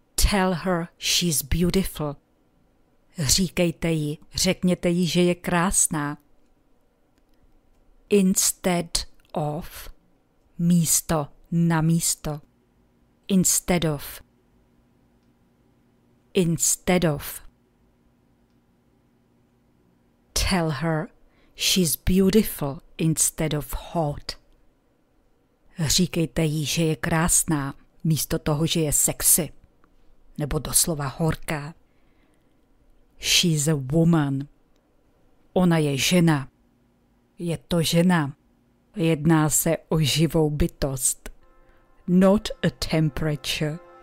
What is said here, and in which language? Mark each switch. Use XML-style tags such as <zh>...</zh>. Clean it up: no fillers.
<en>Tell her she's beautiful.</en> <cs>Říkejte ji, řekněte ji, že je krásná.</cs> <en>Instead of.</en> <cs>Místo, na místo.</cs> <en>Instead of. Instead of. Tell her she's beautiful instead of hot.</en> <cs>Říkejte jí, že je krásná, místo toho, že je sexy. Nebo doslova horká.</cs> <en>She's a woman.</en> <cs>Ona je žena. Je to žena. Jedná se o živou bytost.</cs> <en>Not a temperature.</en>